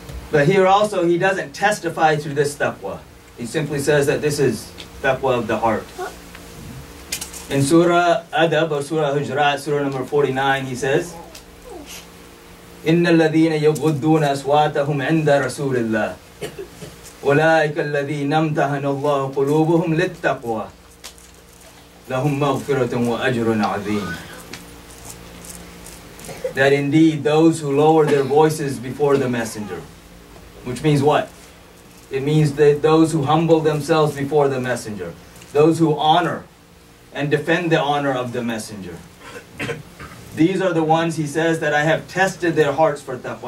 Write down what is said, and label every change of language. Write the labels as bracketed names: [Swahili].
[English] But here also, He doesn't testify to this taqwa. He simply says that this is taqwa of the heart. In Surah Adab or Surah Hujurat, Surah number 49, He says, [Arabic] إِنَّ الَّذِينَ يَغُدُّونَ أَصْوَاتَهُمْ عِنْدَ رَسُولِ اللَّهِ أُولَٰئِكَ الَّذِينَ امْتَحَنَ اللَّهُ قُلُوبُهُمْ لِلتَّقْوَى لَهُمْ مَغْفِرَةٌ وَأَجْرٌ عَظِيمٌ. [English] That indeed those who lower their voices before the Messenger, which means what? It means that those who humble themselves before the Messenger, those who honor and defend the honor of the Messenger, these are the ones, He says, that I have tested their hearts for taqwa.